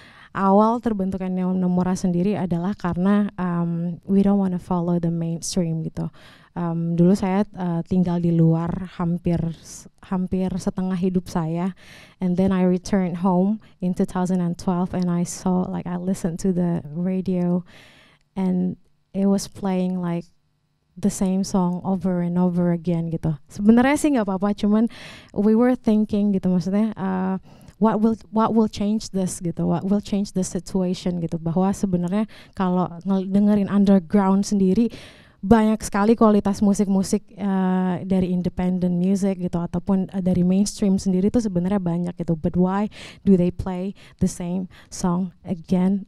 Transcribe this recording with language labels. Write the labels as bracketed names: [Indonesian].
[Indonesian] Awal terbentuknya Neonomora sendiri adalah karena [English] we don't wanna follow the mainstream [Indonesian] gitu. Dulu saya tinggal di luar hampir setengah hidup saya, [English] and then I returned home in 2012 and I saw, like, I listened to the radio and it was playing like the same song over and over again gitu. [Indonesian] Sebenarnya sih nggak apa-apa, cuman [English] we were thinking [Indonesian] gitu, maksudnya [English] What will change this [Indonesian] gitu? [English] What will change the situation gitu? [Indonesian] Bahwa sebenarnya kalau dengerin underground sendiri, banyak sekali kualitas musik-musik dari independent music gitu, ataupun dari mainstream sendiri tuh sebenarnya banyak gitu. [English] But why do they play the same song again?